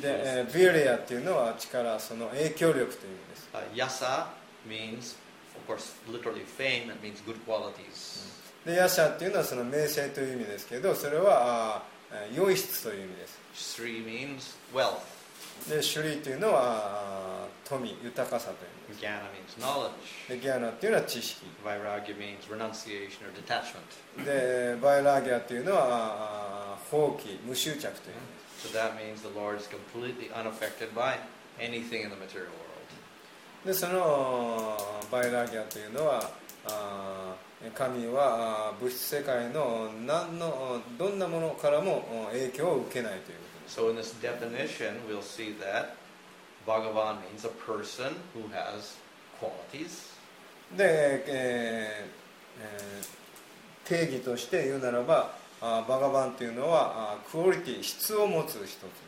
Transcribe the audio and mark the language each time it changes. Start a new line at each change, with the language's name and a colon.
Japanese: で、Virya というのは力、その影響力という意味です。
English: Yasa means, of course, literally fame. That means good qualities.
Japanese: でヤシャというのはその名声という意味ですけど、それは良い質という意味です。
English: シュリ means wealth。
Japanese: でシュリというのは富、豊かさという意味です。
English: ギャナ means knowledge。
Japanese: でギャナというのは知識。
English: ヴァイラギャ means renunciation or detachment。
Japanese: でヴァイラギャというのは放棄、無執着という意味です。
English: So that means the Lord is completely unaffected by anything in the material world。
Japanese: でそのヴァイラギャというのは神は物質世界の何のどんなものからも影響を受けないということです。
English: So in this definition, we'll see that Bhagavan means a person who has qualities.
Japanese: で、定義として言うならば、バガバンというのはクオリティ、質を持つ人。